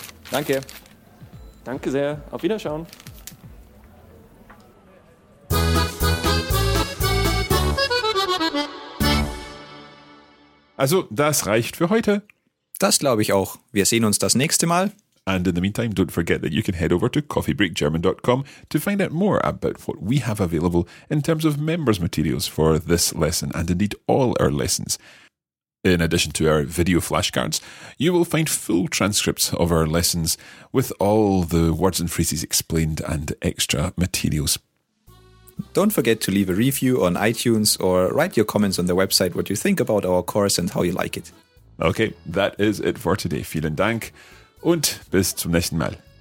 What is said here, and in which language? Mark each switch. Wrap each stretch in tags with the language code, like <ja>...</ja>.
<de>Danke. Danke sehr. Auf Wiedersehen. Also, das reicht für heute. Das glaube ich auch. Wir sehen uns das nächste Mal.</de> <en>And in the meantime, don't forget that you can head over to coffeebreakgerman.com to find out more about what we have available in terms of members' materials for this lesson and indeed all our lessons. In addition to our video flashcards, you will find full transcripts of our lessons with all the words and phrases explained and extra materials. Don't forget to leave a review on iTunes or write your comments on the website what you think about our course and how you like it. Okay, that is it for today.</en> <de>Vielen Dank und bis zum nächsten Mal.</de>